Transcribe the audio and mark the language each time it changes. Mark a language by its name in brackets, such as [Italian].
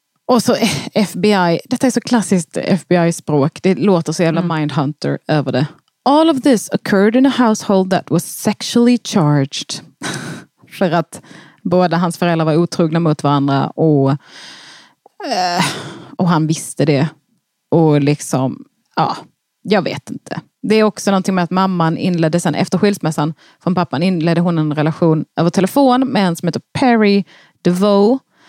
[Swedish] Och så FBI, detta är så klassiskt FBI-språk, det låter så jävla mindhunter över det. [English] All of this occurred in a household that was sexually charged. [Swedish] För att båda hans föräldrar var otrogna mot varandra och han visste det. Och liksom, ja, jag vet inte. Det är också någonting med att mamman inledde sen, efter skilsmässan från pappan, inledde hon en relation över telefon med en som heter Perry DeVoe.